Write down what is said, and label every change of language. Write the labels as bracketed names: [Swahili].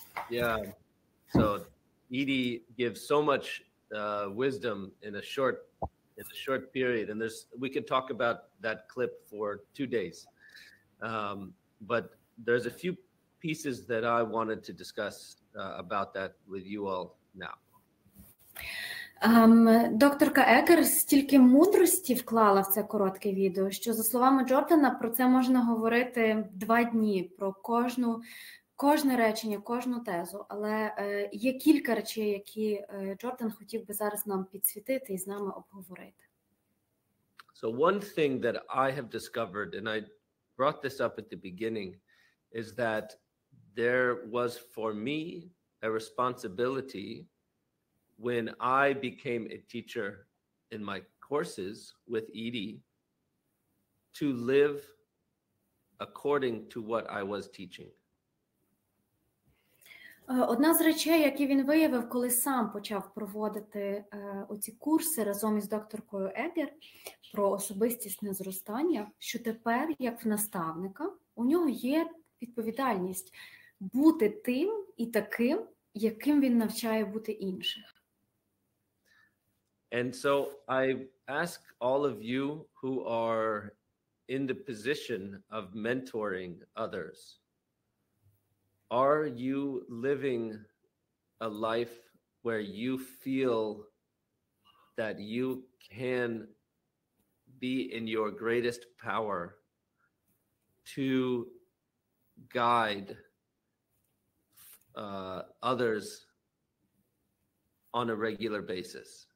[English] Yeah, so Edie gives so much wisdom in a short... It's a short period, and we could talk about that clip for 2 days. But there's a few pieces that I wanted to discuss about that with you all now. [Ukrainian] Докторка Екер стільки мудрості вклала в це коротке відео, що, за словами Джордана, про це можна говорити 2 дні, про кожне речення, кожну тезу, але є кілька речей, які Джордан хотів би зараз нам підсвітити і з нами обговорити. [English] So one thing that I have discovered, and I brought this up at the beginning, is that there was for me a responsibility when I became a teacher in my courses with Edie, to live according to what I was teaching. [Ukrainian] Одна з речей, які він виявив, коли сам почав проводити оці курси разом із докторкою Егер про особистісне зростання, що тепер, як в наставника, у нього є відповідальність бути тим і таким, яким він навчає бути інших. [English] And so I ask all of you who are in the position of mentoring others, are you living a life where you feel that you can be in your greatest power to guide others on a regular basis?